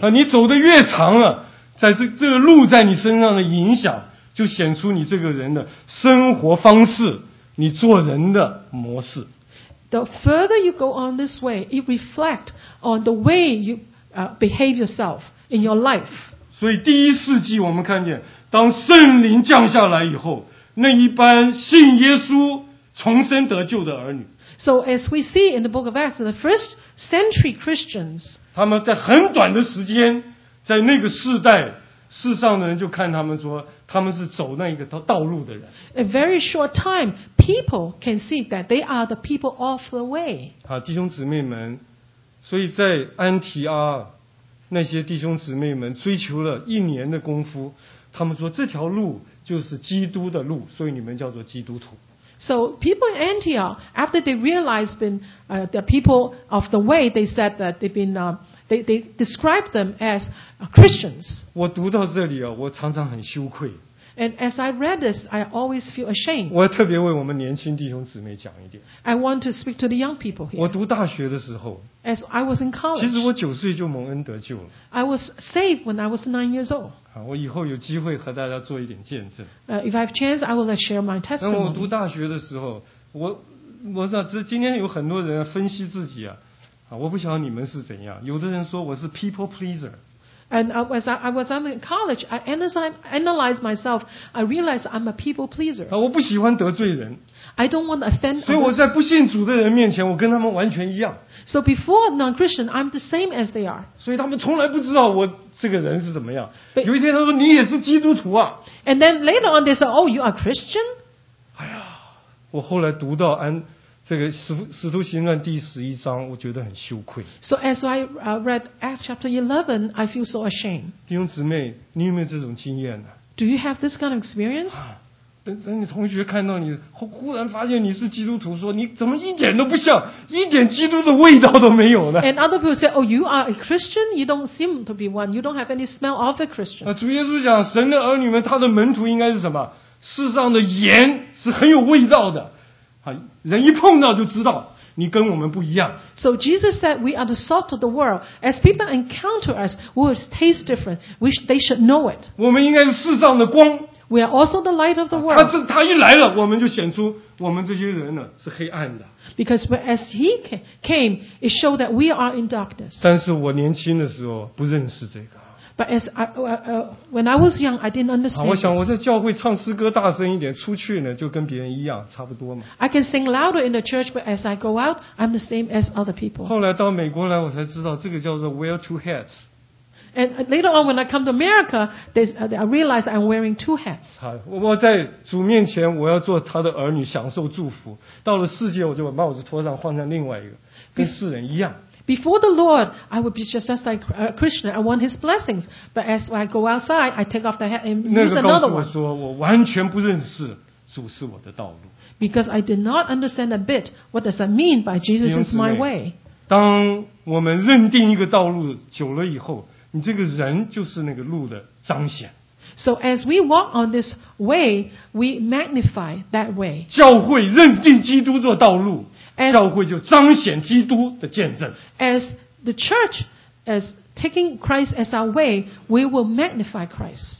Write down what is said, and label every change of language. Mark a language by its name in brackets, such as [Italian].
[Chinese] 啊，你走得越长了，在这个路在你身上的影响，就显出你这个人的生活方式，你做人的模式。 [English] The further you go on this way, it reflects on the way you behave yourself in your life. [Chinese] 所以第一世纪我们看见，当圣灵降下来以后，那一般信耶稣重生得救的儿女。 [English] So as we see in the book of Acts, the first century Christians, [Chinese] 他们在很短的时间，在那个世代，世上的人就看他们说，他们是走那个道路的人。 [English] A very short time, people can see that they are the people of the way. [Chinese] 好，弟兄姊妹们，所以在安提阿，那些弟兄姊妹们追求了一年的功夫，他们说这条路就是基督的路，所以你们叫做基督徒。 [English] So people in Antioch, after they realized been the people of the way, they said that they've been they described them as Christians. [Chinese] 我读到这里啊，我常常很羞愧。 [English] And as I read this, I always feel ashamed. [Chinese] 我特别为我们年轻弟兄姊妹讲一点。 [English] I want to speak to the young people here. [Chinese] 我读大学的时候。 [English] As I was in college. [Chinese] 其实我九岁就蒙恩得救了。 [English] I was saved when I was 9 years old. [Chinese] 我以后有机会和大家做一点见证。 [English] If I have chance, I will share my testimony. [Chinese] 那我读大学的时候，我知道今天有很多人分析自己啊，我不晓得你们是怎样。有的人说我是 [English] people pleaser。 And I was in college. I analyzed myself. I realized I'm a people pleaser. [Chinese] 我不喜欢得罪人。 [English] I don't want to offend. [Chinese] 所以我在不信主的人面前，我跟他们完全一样。 [English] So before non-Christian, I'm the same as they are. [Chinese] 所以他们从来不知道我这个人是怎么样。有一天他说你也是基督徒啊。 [English] And then later on they said, oh, you are Christian. [Chinese] 哎呀，我后来读到这个使徒行传第十一章，我觉得很羞愧。 [English] So as I read Acts chapter 11, I feel so ashamed. [Chinese] 弟兄姊妹，你有没有这种经验呢？ [English] Do you have this kind of experience? [Chinese] 等你同学看到你，忽然发现你是基督徒，说你怎么一点都不像，一点基督的味道都没有呢？ [English] And other people say, "Oh, you are a Christian. You don't seem to be one. You don't have any smell of a Christian." [Chinese] 主耶稣讲，神的儿女们，他的门徒应该是什么？世上的盐是很有味道的。人一碰到就知道你跟我们不一样。 [English] So Jesus said we are the salt of the world. As people encounter us, we will taste different. They should know it. [Chinese] 我们应该是世上的光。 [English] We are also the light of the world. [Chinese] 他一来了，我们就显出我们这些人呢是黑暗的。 [English] Because as he came, it showed that we are in darkness. [Chinese] 但是我年轻的时候不认识这个。 [English] But as I, when I was young, I didn't understand. [Chinese] 我想我在教会唱诗歌大声一点，出去呢就跟别人一样，差不多嘛。 [English] I can sing louder in the church, but as I go out, I'm the same as other people. [Chinese] 后来到美国来，我才知道这个叫做 [English] wear two hats. And later on, when I come to America, I realize I'm wearing two hats. [Chinese] 我在主面前我要做他的儿女，享受祝福。到了世界，我就把帽子脱上，换上另外一个，跟世人一样。 [English] Before the Lord, I would be just as like a Christian. I want His blessings. But as I go outside, I take off the hat and use another one. [Chinese] 那个告诉我说，我完全不认识主是我的道路。 [English] Because I did not understand a bit. What does that mean by Jesus is my way? [Chinese] 当我们认定一个道路久了以后，你这个人就是那个路的彰显。 [English] So as we walk on this way, we magnify that way. [Chinese] 教会认定基督做道路。教会就彰显基督的见证。 [English] As the church is taking Christ as our way, we will magnify Christ.